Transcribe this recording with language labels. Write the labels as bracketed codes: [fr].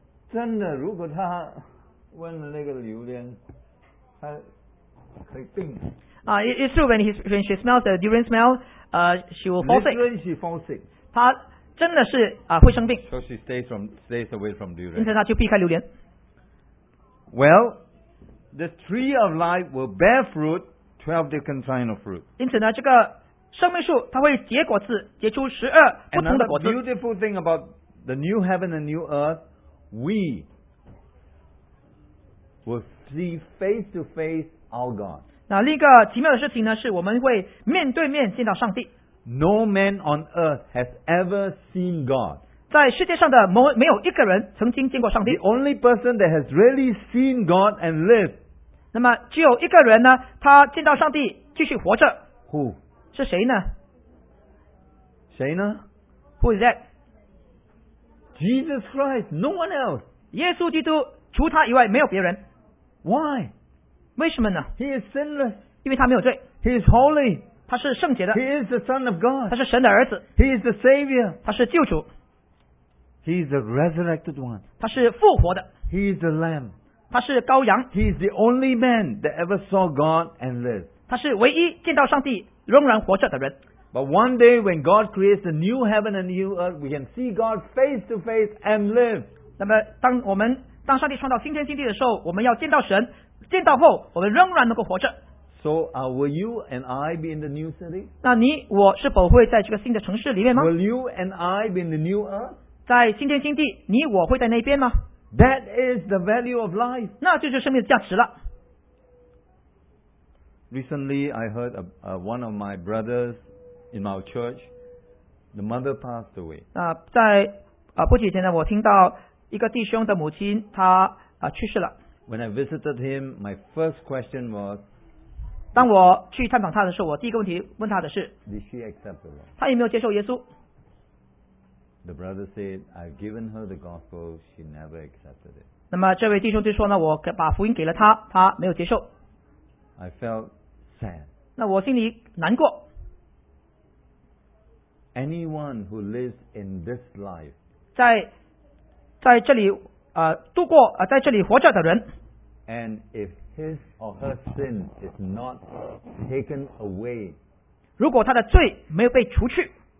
[zh] 真的，如果她闻了那个榴莲，她可以病。 [en] It's true when she smells the durian smell. She will fall sick. Literally, she falls sick. [zh] 她真的是会生病。 [en] So she stays away from durian. [zh] 因此她就避开榴莲。 [en] Well, the tree of life will bear fruit, 12 different kinds of fruit. [zh] 因此呢，这个生命树它会结果子，结出十二不同的果子。 [en] Another beautiful thing about the new heaven and new earth, we will see face to face our God. [zh] 那另一个奇妙的事情呢，是我们会面对面见到上帝。 [en] No man on earth has ever seen God. [zh] 在世界上的没有一个人曾经见过上帝。 [en] The only person that has really seen God and lived. [zh] 那么只有一个人呢，他见到上帝继续活着。 [en] Who? [zh] 是谁呢？谁呢？ [en] Who is that? Jesus Christ. No one else. [zh] 耶稣基督，除他以外没有别人。 [en] Why? [zh] 为什么呢？ [en] He is sinless. [zh] 因为他没有罪。 [en] He is holy. [zh] 他是圣洁的。 [en] He is the Son of God. [zh] 他是神的儿子。 [en] He is the Savior. [zh] 他是救主。 [en] He is the resurrected one. [zh] 他是复活的。 [en] He is the Lamb. [zh] 他是羔羊。 [en] He is the only man that ever saw God and lived. [zh] 他是唯一见到上帝仍然活着的人。 [en] But one day when God creates the new heaven and new earth, we can see God face to face and live. [zh] 那么当上帝创造新天新地的时候，我们要见到神。见到后，我们仍然能够活着。 [en] So, will you and I be in the new city? [zh] 那你我是否会在这个新的城市里面吗？ [en] Will you and I be in the new earth? [zh] 在新天新地，你我会在那边吗？ [en] That is the value of life. [zh] 那就是生命的价值了。 [en] Recently, I heard one of my brothers in our church, the mother passed away. [zh] 在不久前呢，我听到一个弟兄的母亲她去世了。 [en] When I visited him, my first question was, [zh] 当我去探访他的时候，我第一个问题问他的是， [en] Did she accept the Lord? [zh] 他有没有接受耶稣？ [en] The brother said, I've given her the gospel, she never accepted it. [zh] 那么这位弟兄就说呢, 我把福音给了她, 她没有接受。 [en] I felt sad. [zh] 那我心里难过。 [en] Anyone who lives in this life, [zh] 在这里活着的人, [en] and if his or her sin is not taken away, [zh] 如果他的罪没有被除去,